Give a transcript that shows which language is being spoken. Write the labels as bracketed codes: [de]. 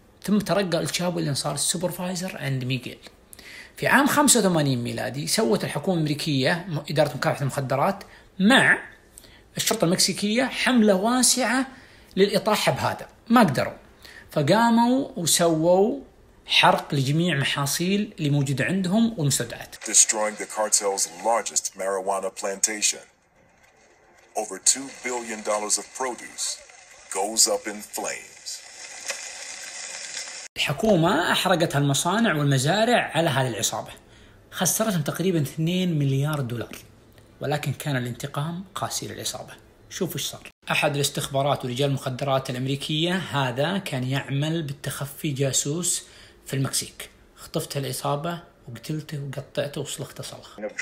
[ar] ثم ترقى التشابو اللي صار السوبرفايزر عند ميغيل. في عام 85 ميلادي سوت الحكومة الأمريكية، إدارة مكافحة المخدرات، مع الشرطة المكسيكية حملة واسعة للإطاحة بهذا، ما قدروا. فقاموا وسووا حرق لجميع محاصيل اللي موجودة عندهم والمستودعات. [en] Destroying the cartel's largest marijuana plantation. Over $2 billion of produce goes up in flames. [ar] الحكومة أحرقت هالمصانع والمزارع على هذه العصابة، خسرتهم تقريبا 2 مليار دولار، ولكن كان الانتقام قاسي للعصابة. شوف إيش صار. أحد الاستخبارات ورجال المخدرات الأمريكية هذا كان يعمل بالتخفي جاسوس في المكسيك، خطفت العصابة وقتلته وقطعته وصلخت صلخ.